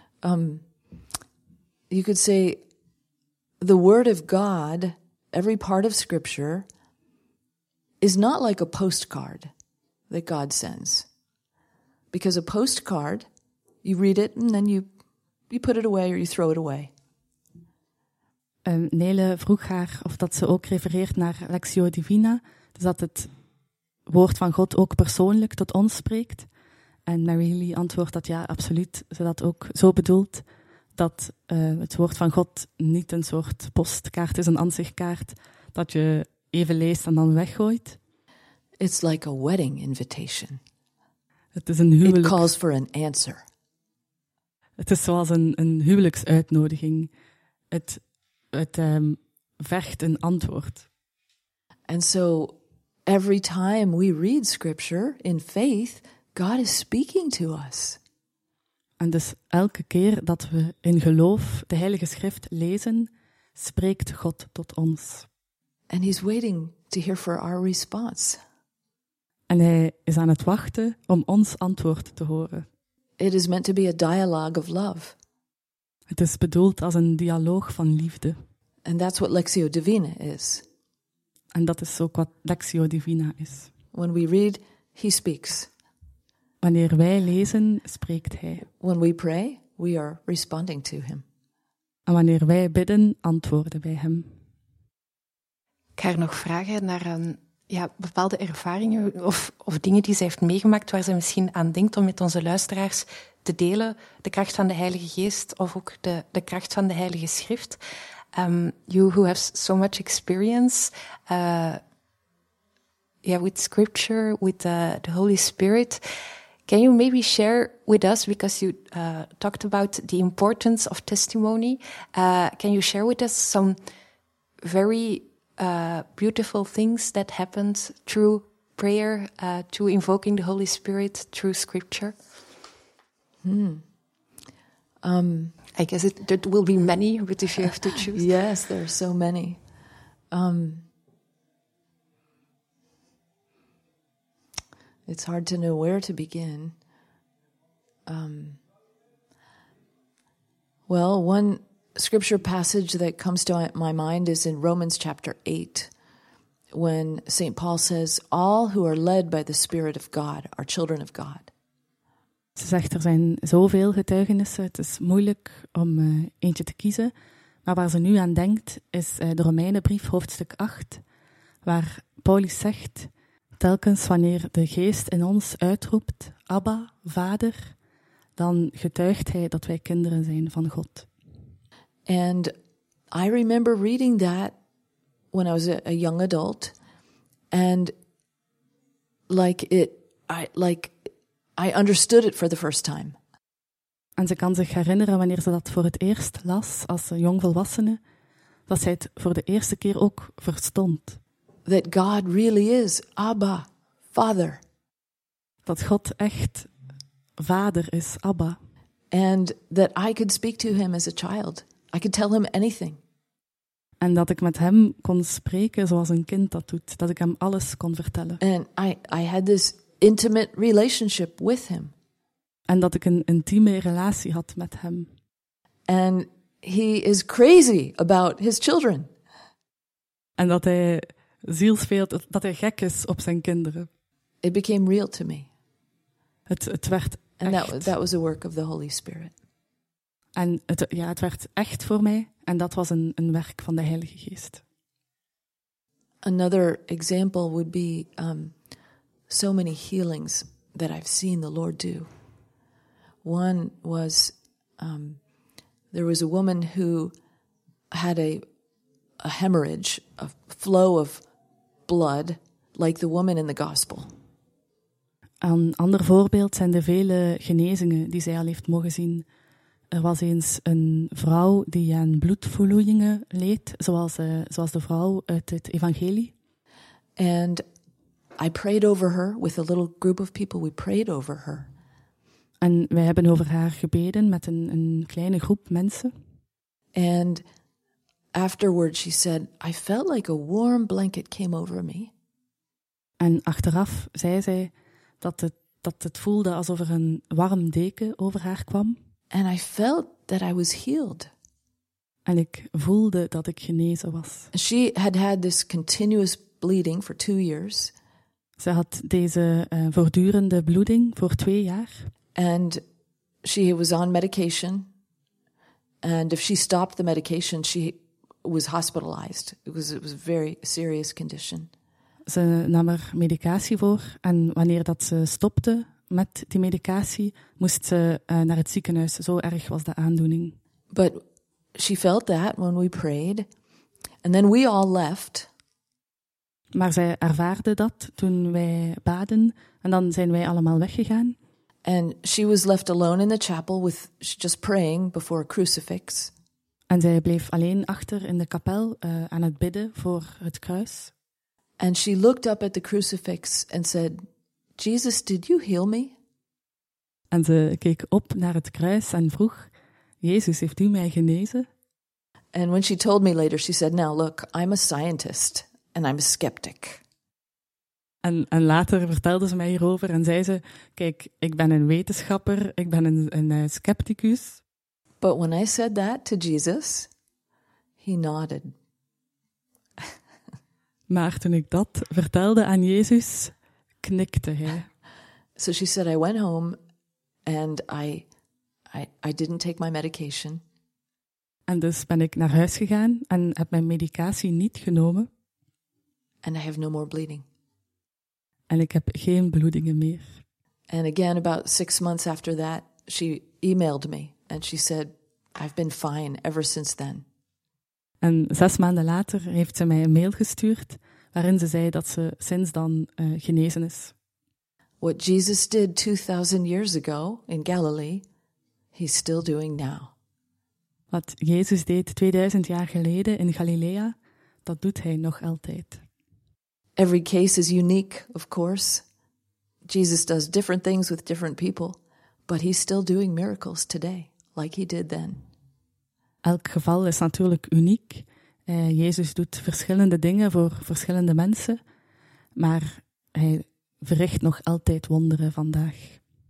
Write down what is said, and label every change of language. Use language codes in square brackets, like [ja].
[en] You could say the word of God, every part of scripture, is not like a postcard that God sends. Because a postcard, you read it and then you put it away or you throw it away. [nl] Nele vroeg haar of dat ze ook refereert naar Lectio Divina, dus dat het woord van God ook persoonlijk tot ons spreekt. En Mary Lee antwoordt dat ja, absoluut, ze dat ook zo bedoelt, dat het woord van God niet een soort postkaart is, een ansichtkaart, dat je even leest en dan weggooit. [en] It's like a wedding invitation. [nl] Het is een huwelijk. [en] It calls for an answer. [nl] Het is zoals een huwelijksuitnodiging. Het vergt een antwoord. [en] And so every time we read scripture in faith, God is speaking to us. [nl] En dus elke keer dat we in geloof de Heilige Schrift lezen, spreekt God tot ons. [en] And he's waiting to hear for our response. [nl] En hij is aan het wachten om ons antwoord te horen. [en] It is meant to be a dialogue of love. [nl] Het is bedoeld als een dialoog van liefde. [en] And that's what Lectio Divina is. [nl] En dat is ook wat Lectio Divina is. [en] When we read, he speaks. [nl] Wanneer wij lezen, spreekt hij. [en] When we pray, we are responding to him. [nl] En wanneer wij bidden, antwoorden wij hem. haar nog vragen naar bepaalde ervaringen of dingen die ze heeft meegemaakt waar ze misschien aan denkt om met onze luisteraars te delen. De kracht van de Heilige Geest of ook de kracht van de Heilige Schrift. [en] You who have so much experience with Scripture, with the Holy Spirit. Can you maybe share with us, because you talked about the importance of testimony, can you share with us some very beautiful things that happened through prayer, through invoking the Holy Spirit, through Scripture? I guess there will be many, but if you have to choose. Yes, there are so many. It's hard to know where to begin. One scripture passage that comes to my mind is in Romans chapter 8, when St. Paul says, all who are led by the Spirit of God are children of God. [nl] Ze zegt, er zijn zoveel getuigenissen, het is moeilijk om eentje te kiezen. Maar waar ze nu aan denkt, is de Romeinenbrief, hoofdstuk 8, waar Paulus zegt, telkens wanneer de Geest in ons uitroept, Abba, Vader, dan getuigt hij dat wij kinderen zijn van God. [en] And I remember reading that when I was a young adult, and I understood it for the first time. [nl] En ze kan zich herinneren wanneer ze dat voor het eerst las als een jong volwassene, dat zij het voor de eerste keer ook verstond. [en] That God really is Abba, Father. [nl] Dat God echt Vader is, Abba. [en] And that I could speak to him as a child. I could tell him anything. [nl] En dat ik met hem kon spreken zoals een kind dat doet, dat ik hem alles kon vertellen. [en] And I had this intimate relationship with him. [nl] En dat ik een intieme relatie had met hem. [en] And he is crazy about his children. [nl] En dat hij zielsveel, dat hij gek is op zijn kinderen. [en] It became real to me. [nl] Het werd [en] and [nl] echt. [en] And that was a work of the Holy Spirit. [nl] En het werd echt voor mij en dat was een werk van de Heilige Geest. [en] Another example would be so many healings that I've seen the Lord do. One was, there was a woman who had a hemorrhage, a flow of blood, like the woman in the gospel. [nl] Een ander voorbeeld zijn de vele genezingen die zij al heeft mogen zien. Er was eens een vrouw die aan bloedvloeien leed, zoals de vrouw uit het evangelie. [en] And I prayed over her with a little group of people. We prayed over her. [nl] En wij hebben over haar gebeden met een kleine groep mensen. [en] And afterwards she said, I felt like a warm blanket came over me. [nl] En achteraf zei zij dat het voelde alsof er een warm deken over haar kwam. [en] And I felt that I was healed. [nl] En ik voelde dat ik genezen was. [en] She had had this continuous bleeding for 2 years. [nl] Ze had deze voortdurende bloeding voor 2 jaar. [en] And she was on medication. And if she stopped the medication, she was hospitalized. It was a very serious condition. [nl] Ze nam er medicatie voor en wanneer dat ze stopte met die medicatie, moest ze naar het ziekenhuis. Zo erg was de aandoening. [en] But she felt that when we prayed. And then we all left. [nl] Maar zij ervaarde dat toen wij baden en dan zijn wij allemaal weggegaan. [en] And she was left alone in the chapel with just praying before a crucifix. [nl] En zij bleef alleen achter in de kapel aan het bidden voor het kruis. [en] And she looked up at the crucifix and said, Jesus, did you heal me? [nl] En ze keek op naar het kruis en vroeg, Jezus, heeft u mij genezen? [en] And when she told me later, she said, now look, I'm a scientist and I'm a skeptic. [nl] En later vertelde ze mij hierover en zei ze, kijk, ik ben een wetenschapper, ik ben een scepticus. [en] But when I said that to Jesus, he nodded. [nl] Maar toen ik dat vertelde aan Jezus, knikte hij. [en] So she said, I went home and I didn't take my medication. [nl] En dus ben ik naar huis gegaan en heb mijn medicatie niet genomen. [en] and I have no more bleeding. [nl] En ik heb geen bloedingen meer. [en] And again, about 6 months after that, she emailed me and she said, I've been fine ever since then. [nl] En 6 maanden later heeft ze mij een mail gestuurd waarin ze zei dat ze sinds dan genezen is. [en] What Jesus did 2000 years ago in Galilee, he's still doing now. [nl] Wat Jezus deed 2000 jaar geleden in Galilea, dat doet hij nog altijd. [en] Every case is unique, of course. Jesus does different things with different people, but he's still doing miracles today, like he did then. [nl] Elk geval is natuurlijk uniek. Jezus doet verschillende dingen voor verschillende mensen, maar hij verricht nog altijd wonderen vandaag.